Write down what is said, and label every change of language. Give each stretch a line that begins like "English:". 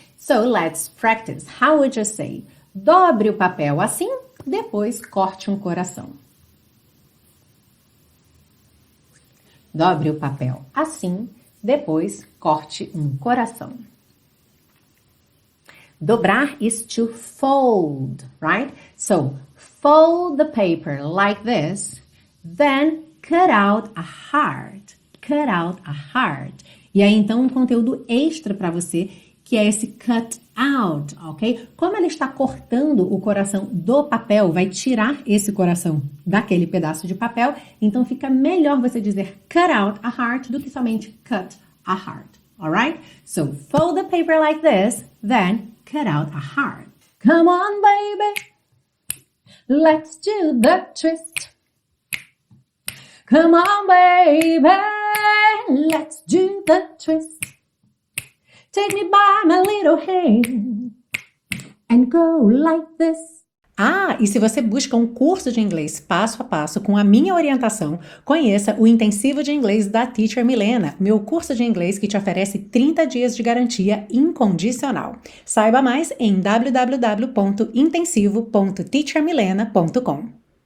English: So, let's practice. How would you say?
Portuguese: Dobre o papel assim, depois corte um coração. Dobre o papel assim, depois corte um coração.
English: Dobrar is to fold, right? So, fold the paper like this, then cut out a heart. Cut out a heart.
Portuguese: E aí, então, um conteúdo extra para você, que é esse cut out, ok? Como ela está cortando o coração do papel, vai tirar esse coração daquele pedaço de papel, então fica melhor você dizer
English: cut out a heart
Portuguese: do que somente
English: cut a heart,
Portuguese: alright?
English: So, fold the paper like this, then cut out a heart. Come on, baby, let's do the twist. Come on, baby, let's do the twist. Take me by my little hand and go like this.
Portuguese: Ah, e se você busca um curso de inglês passo a passo com a minha orientação, conheça o Intensivo de Inglês da Teacher Milena, meu curso de inglês que te oferece 30 dias de garantia incondicional. Saiba mais em www.intensivo.teachermilena.com.